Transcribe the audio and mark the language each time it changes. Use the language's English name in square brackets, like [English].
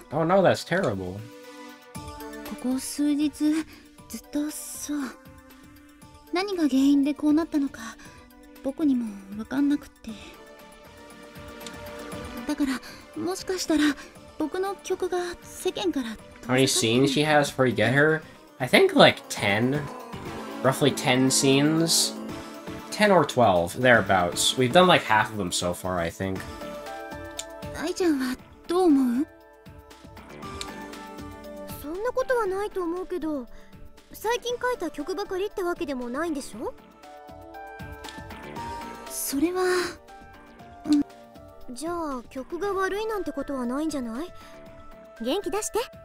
[English] Oh no, that's terrible. [Japanese] ここ数日ずっとそう。何が原因でこうなったのか僕にも分かんなくて。だからもしかしたら僕の曲が世間から。 [English] How many scenes she has before you get her? I think like 10. Roughly 10 scenes. 10 or 12, thereabouts. We've done like half of them so far, I think. [Japanese] アイちゃんはどう思う？そんなことはないと思うけど、最近書いた曲ばかりってわけでもないんでしょ？それは、じゃあ曲が悪いなんてことはないんじゃない？元気出して。